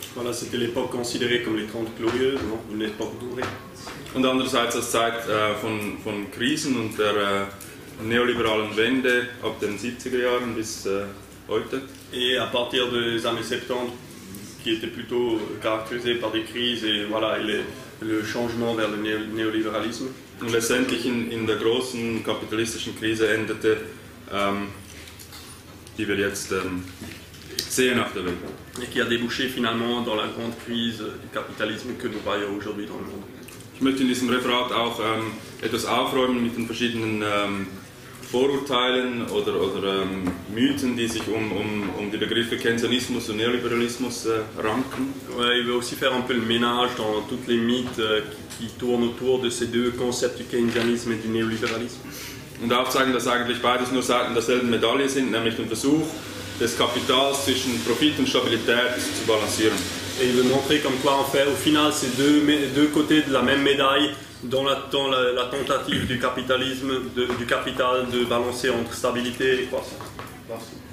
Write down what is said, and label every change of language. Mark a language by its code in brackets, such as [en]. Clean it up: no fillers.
[fr] Voilà, c'était l'époque considérée comme les 30 glorieuses, non? Une époque dorée. [de] Und andererseits als Zeit von Krisen und der neoliberalen Wende ab den 70er Jahren bis heute. [fr] Et à partir des années 70, qui était plutôt caractérisé par des crises et voilà, le changement vers le néolibéralisme. [de] Und letztendlich in der großen kapitalistischen Krise endete, die wir jetzt sehen auf der Welt. [fr] Et qui a débouché finalement dans la grande crise du capitalisme que nous voyons aujourd'hui dans le monde. [de] Ich möchte in diesem Referat auch etwas aufräumen mit den verschiedenen Vorurteilen oder Mythen, die sich um die Begriffe Keynesianismus und Neoliberalismus ranken. [fr] Ouais, il veut aussi faire un peu le ménage dans toutes les mythes qui tournent autour de ces deux concepts du Keynesianisme et du Neoliberalisme. [de] Und aufzeigen, dass eigentlich beides nur Seiten derselben Medaille sind, nämlich den Versuch des Kapitals zwischen Profit und Stabilität zu balancieren. [fr] Et il veut montrer comme quoi en fait au final c'est deux côtés de la même médaille dans la tentative du capitalisme du capital de balancer entre stabilité et croissance.